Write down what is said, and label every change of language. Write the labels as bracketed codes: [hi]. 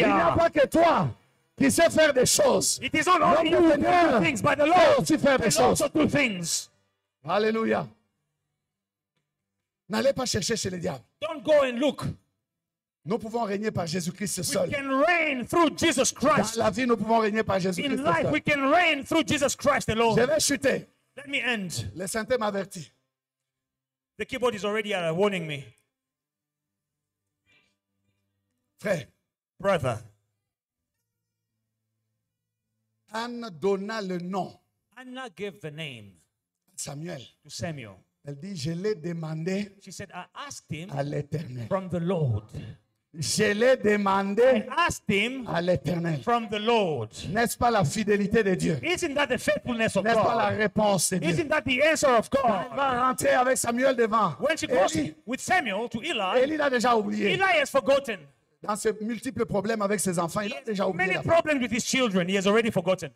[fr] Il n'y a pas que toi qui sais faire des choses. [en] It is not only you who do things, but the Lord [fr] aussi faire des choses. [en] Also do things. [fr] Alléluia. N'allez pas chercher chez le diable. [en] Don't go and look. [fr] Nous pouvons régner par Jésus-Christ seul. [en] We can reign through Jesus Christ. [fr] Dans la vie, nous pouvons régner par Jésus-Christ seul. [en] In life, we can reign through Jesus Christ alone. [fr] Je vais chuter. [en] Let me end. [fr] Le Saint-Esprit m'avertit. [en] The keyboard is already warning me. [fr] Frère. [en] Brother. [fr] Anna donna le nom. [en] Anna gave the name. [fr] Samuel. [en] To Samuel. [fr] Elle dit, je l'ai demandé. [en] She said, I asked him. [fr] À l'Éternel. [en] From the Lord. [fr] Je l'ai demandé. [en] I asked him. [fr] À l'Éternel. [en] From the Lord. [fr] N'est-ce pas la fidélité de Dieu? [en] Isn't that the faithfulness of [fr] N'est-ce [en] God? [fr] N'est-ce pas la réponse de [en] Isn't [fr] Dieu? [en] Isn't that the answer of God? [fr] Elle va rentrer avec Samuel devant. [en] When she goes with Samuel to Eli. [fr] Eli l'a déjà oublié. [en] Eli has forgotten. [fr] Dans ses multiples problèmes avec ses enfants, il a déjà oublié. [en] Many problems with his children, he has already forgotten.